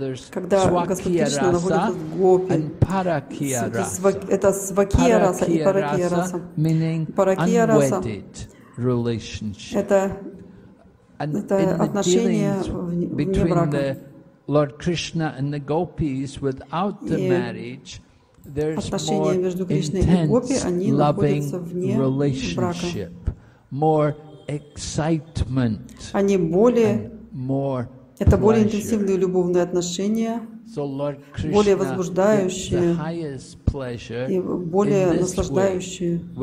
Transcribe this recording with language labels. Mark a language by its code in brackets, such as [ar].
[ru] Когда Господь Кришна находится в гопи, это свакия раса и паракия раса. Паракия раса – это отношение вне брака. [en] Lord Krishna and the gopis without the marriage, there's more intense loving relationship, more excitement, and more pleasure. [ru] Это более интенсивные любовные отношения, более возбуждающие и более наслаждающие.